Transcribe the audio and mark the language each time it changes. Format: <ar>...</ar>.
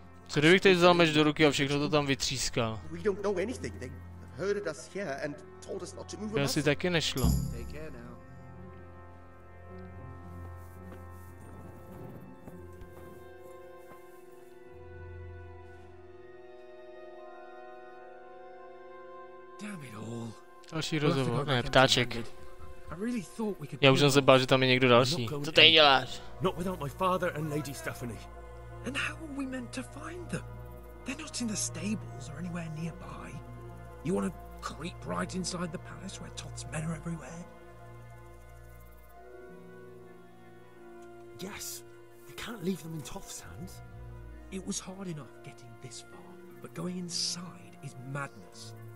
<cs>Co kdybych teď vzal meč do ruky a všechno to tam vytřískal?</cs> <en>We don't know anything. They herded us here and told us not to move. To asi taky nešlo. Take care now.</en> <cs>Damn it all. Další rozhovor. Ne, ptáček. Já už jsem se bál, že tam je někdo další. Co tady děláš?</cs> <en>Not without my father and Lady Stephanie. And how are we meant to find them? They're not in the stables or anywhere nearby. You want to creep right inside the palace where Toth's men are everywhere? Yes, we can't leave them in Toth's hands. It was hard enough getting this far, but going inside is madness.</en>